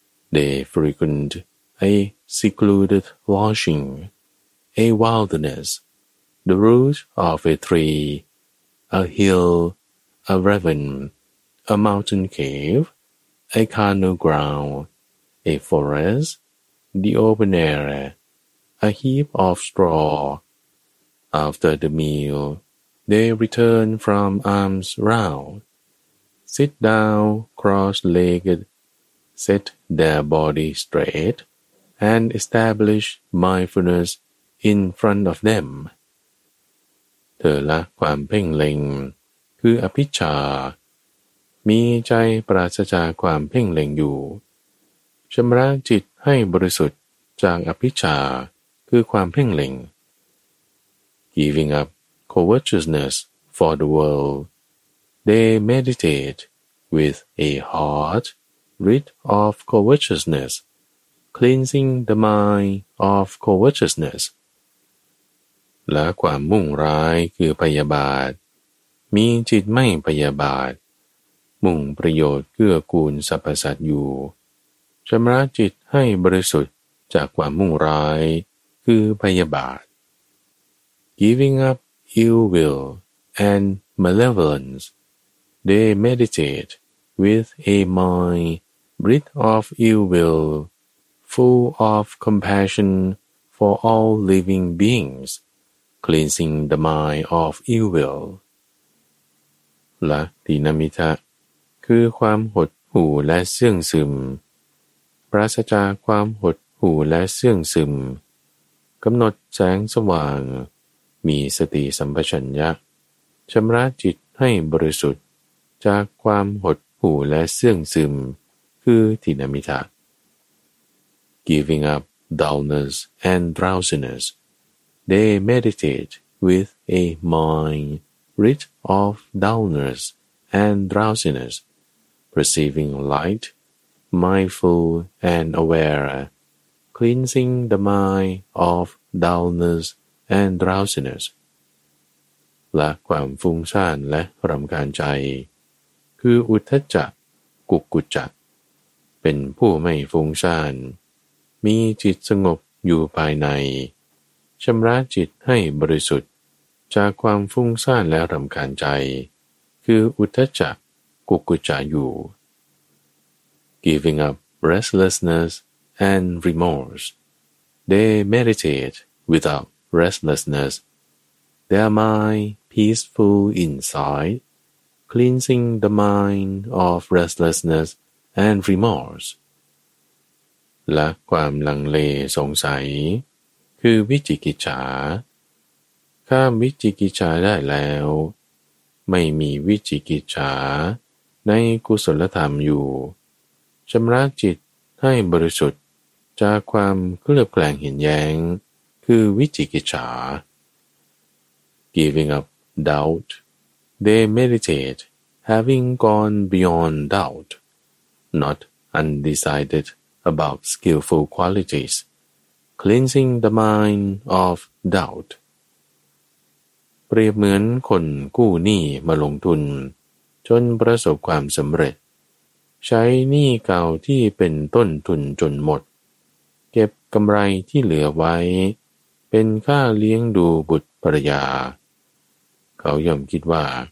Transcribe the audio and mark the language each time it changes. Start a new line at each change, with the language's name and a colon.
English: they frequent a secluded lodging, a wilderness, the root of a tree, a hill, a ravine, a mountain cave, a carnal ground, a forest, the open air, a heap of straw. After the meal, they return from arms round, sit down cross-legged, set their body straight, and establish mindfulness in front of them.
Thai: เธอละความเพ่งเล็งคืออภิชฌามีใจปราศจากความเพ่งเล็งอยู่ชำระจิตให้บริสุทธิ์จากอภิชฌาคือความเพ่งเล็ง
English: Giving up covetousness for the world, they meditate with a heart rid of covetousness, cleansing the mind of covetousness.
Thai: และความมุ่งร้ายคือพยาบาทมีจิตไม่พยาบาทมุ่งประโยชน์เกื้อกูลสรรพสัตว์อยู่ชำระจิตให้บริสุทธิ์จากความมุ่งร้ายคือพยาบาท
English: Giving up ill will and malevolence, they meditate with a mind rid of ill will, full of compassion for all living beingsCleansing the mind of ill will.
Thai: ละตินมิทะคือความหดหู่และเสื่องซึมปราศจากความหดหู่และเสื่องซึมกำหนดแสงสว่างมีสติสัมปชัญญะชำระจิตให้บริสุทธิ์จากความหดหู่และเสื่องซึมคือตินมิทะ
English: Giving up dullness and drowsinessThey meditate with a mind rid of dullness and drowsiness, perceiving light, mindful and aware, cleansing the mind of dullness and drowsiness.
Thai: ละความฟุ้งซ่านและรำคาญใจคืออุทธัจจะกุกกุจจะเป็นผู้ไม่ฟุ้งซ่านมีจิตสงบอยู่ภายในชำระจิตให้บริสุทธิ์จากความฟุ้งซ่านและรำคาญใจคืออุทธัจจะกุกกุจจะอยู่
English: Giving up restlessness and remorse, they meditate without restlessness, their mind peaceful inside, cleansing the mind of restlessness and remorse.
Thai: และความลังเลสงสัยคือวิจิกิจฉาข้ามวิจิกิจฉาได้แล้วไม่มีวิจิกิจฉาในกุศลธรรมอยู่ชำระจิตให้บริสุทธิ์จากความเคลือบแคลงเห็นแย้งคือวิจิกิจฉา
English: Giving up doubt, they meditate, having gone beyond doubt, not undecided about skillful qualitiesCleansing the mind of doubt.
Thai: เปรียบเหมือนคนกู้หนี้มาลงทุนจนประสบความสำเร็จใช้หนี้เก่าที่เป็นต้นทุนจนหมดเก็บกำไรที่เหลือไว้เป็นค่าเลี้ยงดูบุตรภรรยาเขาย่อมคิดว่า